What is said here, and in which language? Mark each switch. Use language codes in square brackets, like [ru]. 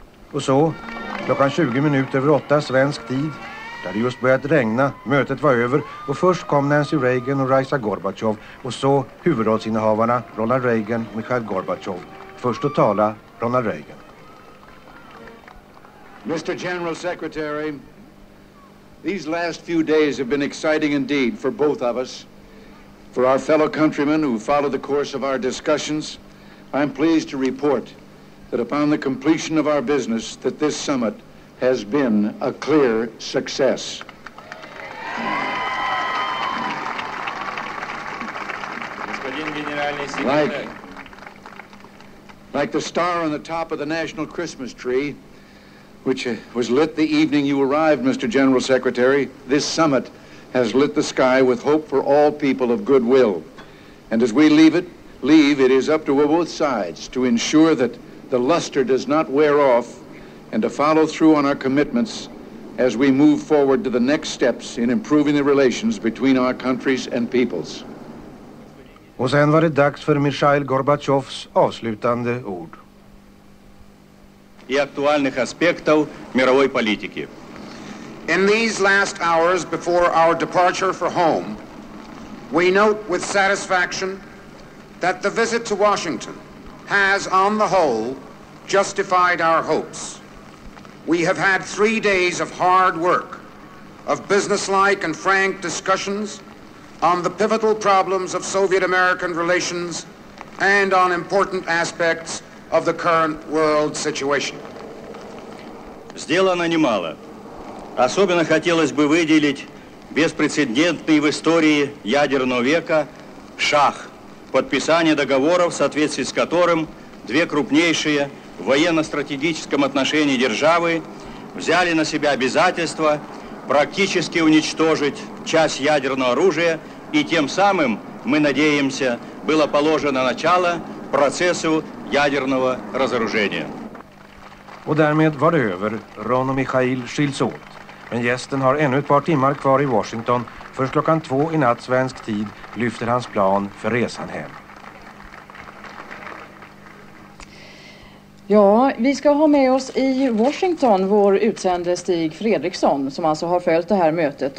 [sv] Och så, klockan 20 minuter över 8 svensk tid. Det hade just börjat regna, mötet var över och först kom Nancy Reagan och Raisa Gorbachev och så huvudrollsinnehavarna Ronald Reagan och Mikhail Gorbachev. Först att tala Ronald Reagan. [en] Mr. General Secretary, these last few days have been exciting indeed for both of us. For our fellow countrymen who follow the course of our discussions, I'm pleased to report that upon the completion of our business that this summit has been a clear success. Like the star on the top of the national Christmas tree, which was lit the evening you arrived, Mr. General Secretary, this summit has lit the sky with hope for all people of goodwill. And as we leave it is up to both sides to ensure that the luster does not wear off and to follow through on our commitments as we move forward to the next steps in improving the relations between our countries and peoples. [sv] Och sen var det dags för Mikhail Gorbachevs avslutande ord. [ru] и актуальных аспектов мировой политики. [en] In these last hours before our departure for home, we note with satisfaction that the visit to Washington has, on the whole, justified our hopes. We have had 3 days of hard work, of businesslike and frank discussions on the pivotal problems of Soviet-American relations and on important aspects of the current world situation. [ru] Сделано немало. Особенно хотелось бы выделить беспрецедентный в истории ядерного века шаг подписания договоров, в соответствии с которым две крупнейшие в военно-стратегическом отношении державы взяли на себя обязательство практически уничтожить часть ядерного оружия, и тем самым, мы надеемся, было положено начало процессу ядерного разоружения. [sv] И därmed var det över. Рон och Михаил skils åt. Men gästen har ännu ett par timmar kvar i Washington. Först klockan 2 i natt svensk tid lyfter hans plan för resan hem. Ja, vi ska ha med oss i Washington vår utsände Stig Fredriksson som alltså har följt det här mötet.